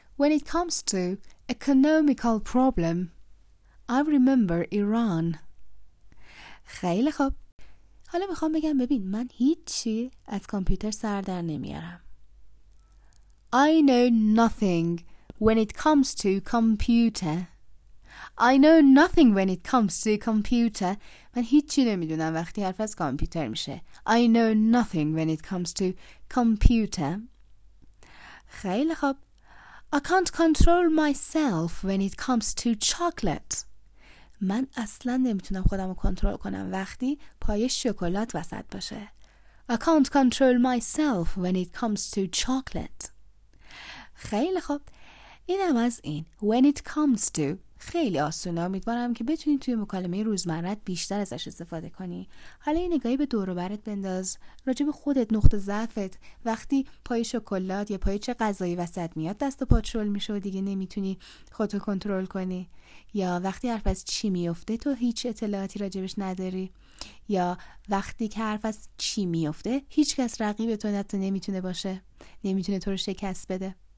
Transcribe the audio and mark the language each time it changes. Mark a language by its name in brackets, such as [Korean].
[English] When it comes to economical problem I remember Iran. [Persian] خیلی خوب. حالا میخوام بگم ببین من هیچی از کامپیوتر سر در نمیارم. [English] I know nothing when it comes to computer. I know nothing when it comes to computer. [Persian] من هیچی نمیدونم وقتی حرف از کامپیوتر میشه. [English] I know nothing when it comes to computer. [Persian] خیلی خوب. [English] I can't control myself when it comes to chocolate. [Persian] من اصلا نمیتونم خودم رو کنترل کنم وقتی پای شکلات وسط باشه. [English] I can't control myself when it comes to chocolate. [Persian] خیلی خوب. اینم از این. [English] When it comes to [Persian] خیلی آسونه، امیدوارم که بتونی توی مکالمه روزمره‌ات بیشتر ازش استفاده کنی. حالا یه نگاهی به دور و برت بنداز، راجع به خودت، نقطه ضعفت، وقتی پای شکلات یا پای چه غذایی وسط میاد دست و پات شل میشه و دیگه نمیتونی خودتو کنترل کنی، یا وقتی حرف از چی میفته تو هیچ اطلاعاتی راجبش نداری، یا وقتی که حرف از چی میفته هیچ کس رقیب تو حتی نمیتونه باشه، نمیتونه تو رو شکست بده.